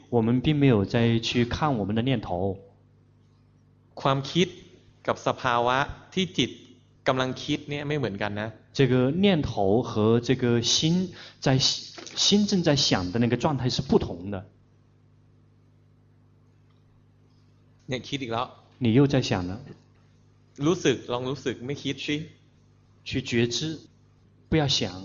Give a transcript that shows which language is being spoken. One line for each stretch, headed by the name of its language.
Chinese: 我们并没有在去看我们的念头
Thai: ความคิดกับสภาวะที่จิตกำลังคิดเนี่ยไม่เหมือนกันนะ
Chinese: 这个念头和这个心在心正在想的那个状态是不同的
Thai: เนี่ยคิดอีกแล้ว
Chinese: 你又在想了
Thai: รู้สึกลองรู้สึกไม่คิดสิ
Chinese: 去觉知不要想